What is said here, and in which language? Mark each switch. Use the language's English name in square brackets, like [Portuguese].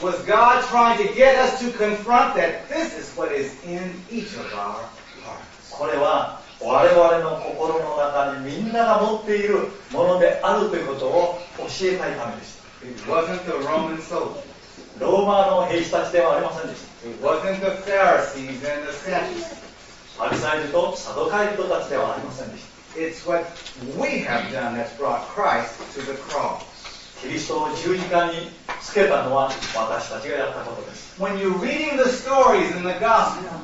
[English] Was God trying to get us to confront that this is what is in each of our hearts? [Japanese] これは我々の心の中にみんなが持っているものであるということを教えたいためでした。 [English] It wasn't the Roman soldier. [Japanese] ローマの兵士たちではありませんでした。 [English] It wasn't the Pharisees and the Sadducees. [Japanese] パリサイ人とサドカイ人たちではありませんでした。 [English] It's what we have done that's brought Christ to the cross. [Japanese] キリストを十字架につけたのは私たちがやったことです。 [English] When you're reading the stories in the gospel,